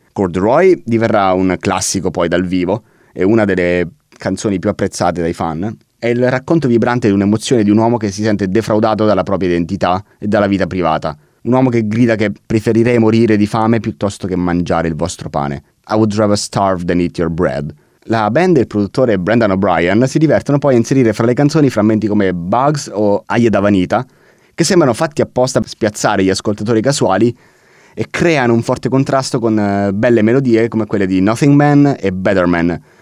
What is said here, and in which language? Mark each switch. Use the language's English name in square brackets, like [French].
[Italian] Corduroy diverrà un classico poi dal vivo e una delle canzoni più apprezzate dai fan, è il racconto vibrante di un'emozione di un uomo che si sente defraudato dalla propria identità e dalla vita privata. Un uomo che grida che preferirei morire di fame piuttosto che mangiare il vostro pane. [English] I would rather starve than eat your bread. [Italian] La band e il produttore Brendan O'Brien si divertono poi a inserire fra le canzoni frammenti come Bugs o Aie da Vanita, che sembrano fatti apposta per spiazzare gli ascoltatori casuali e creano un forte contrasto con belle melodie come quelle di Nothing Man e Better Man.